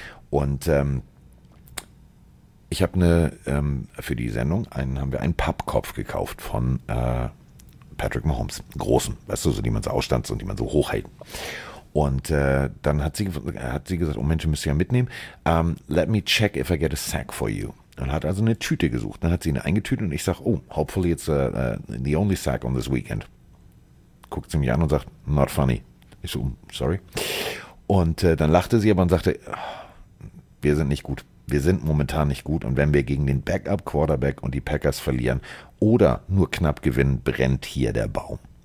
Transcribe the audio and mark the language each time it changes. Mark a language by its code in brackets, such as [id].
[de] Und ich habe für die Sendung haben wir einen Pappkopf gekauft von Patrick Mahomes, großen, weißt du, so die man so ausstanzt und die man so hochhält. Und dann hat sie gesagt, oh Mensch, müsst ihr ja mitnehmen. [en] Let me check if I get a sack for you. [de] Und hat also eine Tüte gesucht. Dann hat sie ihn eingetütet und ich sage, oh, [en] hopefully it's the only sack on this weekend. [de] Guckt sie mich an und sagt, [en] not funny. [de] Ich so, sorry. Und dann lachte sie aber und sagte, wir sind nicht gut. Wir sind momentan nicht gut. Und wenn wir gegen den Backup-Quarterback und die Packers verlieren oder nur knapp gewinnen, brennt hier der Baum.